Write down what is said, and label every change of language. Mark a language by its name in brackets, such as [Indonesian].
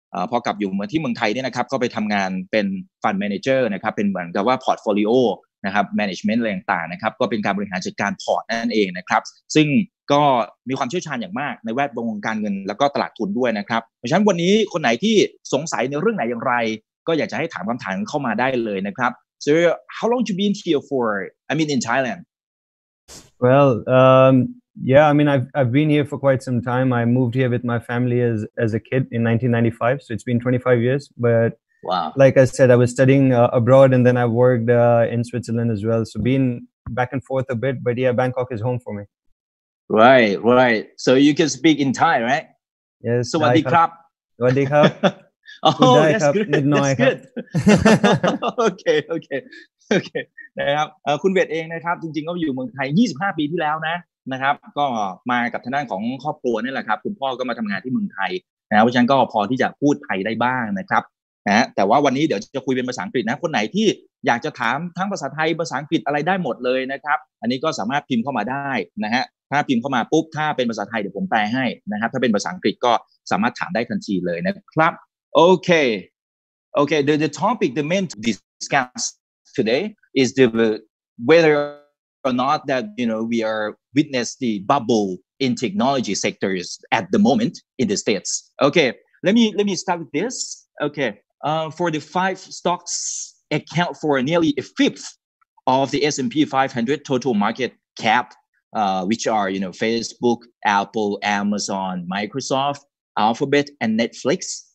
[Thai] พอกลับอยู่มาที่เมืองไทยเนี่ยนะครับก็ไปทำงานเป็น Fund Manager นะครับเป็นเหมือนกับว่า Portfolio นะครับ Management อะไรต่างๆนะครับก็เป็นการบริหารจัดการพอร์ตนั่นเองนะครับซึ่งก็มีความเชี่ยวชาญอย่างมากในแวดวงการเงินแล้วก็ตลาดทุนด้วยนะครับเพราะฉะนั้นวันนี้คนไหนที่สงสัยในเรื่องไหนอย่างไรก็อยากจะให้ถามคำถามเข้ามาได้เลยนะครับ [English] So how long you been here for? I mean in Thailand. Well, yeah, I mean I've been here for quite some time. I moved here with my family as a kid in 1995, so it's been 25 years. But wow. Like I said, I was studying abroad and then I worked in Switzerland as well. So been back and forth a bit, but yeah, Bangkok is home for me. Right. So you can speak in Thai, right? Yes. [Thai] สวัสดีครับ สวัสดีครับ [English] Oh, that's good. That's good. okay. [Thai] นะครับคุณเวทเองนะครับจริงๆก็อยู่เมืองไทย25ปีที่แล้วนะครับก็มากับทางด้านของครอบครัวนี่แหละครับคุณพ่อก็มาทำงานที่เมืองไทยนะเพราะฉะนั้นก็พอที่จะพูดไทยได้บ้างนะครับนะแต่ว่าวันนี้เดี๋ยวจะคุยเป็นภาษาอังกฤษนะคนไหนที่อยากจะถามทั้งภาษาไทยภาษาอังกฤษอะไรได้หมดเลยนะครับอันนี้ก็สามารถพิมพ์เข้ามาได้นะฮะถ้าพิมพ์เข้ามาปุ๊บถ้าเป็นภาษาไทยเดี๋ยวผมแปลให้นะครับถ้าเป็นภาษาอังกฤษก็สามารถถามได้ทันทีเลยนะครับ [English] Okay. The topic, the main to discuss today is the whether or not that you know we are witness the bubble in technology sectors at the moment in the States. Okay, let me start with this. Okay, for the five stocks account for nearly a fifth of the S&P 500 total market cap, which are you know Facebook, Apple, Amazon, Microsoft, Alphabet, and Netflix.